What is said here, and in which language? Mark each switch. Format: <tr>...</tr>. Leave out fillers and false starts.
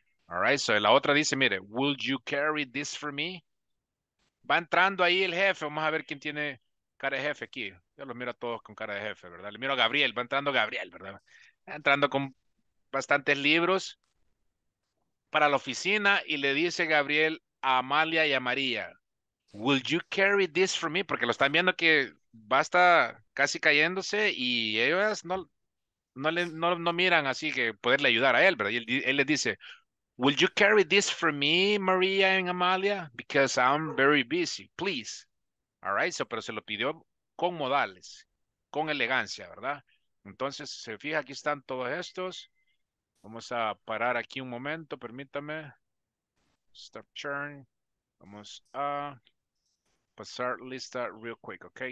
<en>All right, so</en> <es>la otra dice, mire,</es> <en>would you carry this for me?</en> <es>Va entrando ahí el jefe, vamos a ver quién tiene cara de jefe aquí. Yo los miro a todos con cara de jefe, ¿verdad? Le miro a Gabriel, va entrando Gabriel, ¿verdad? Entrando con bastantes libros para la oficina y le dice Gabriel a Amalia y a María,</es> <en>will you carry this for me?</en> <es>Porque lo están viendo que va hasta casi cayéndose y ellas no miran así que poderle ayudar a él, ¿verdad? Y él les dice,</es> <en>Will you carry this for me, Maria and Amalia? Because I'm very busy, please. All right, so,</en> <es>pero se lo pidió con modales, con elegancia, ¿verdad? Entonces, se fija, aquí están todos estos. Vamos a parar aquí un momento, permítame.</es> <en>Stop churn.</en> <es>Vamos a pasar lista</es> <en>real quick, okay?</en>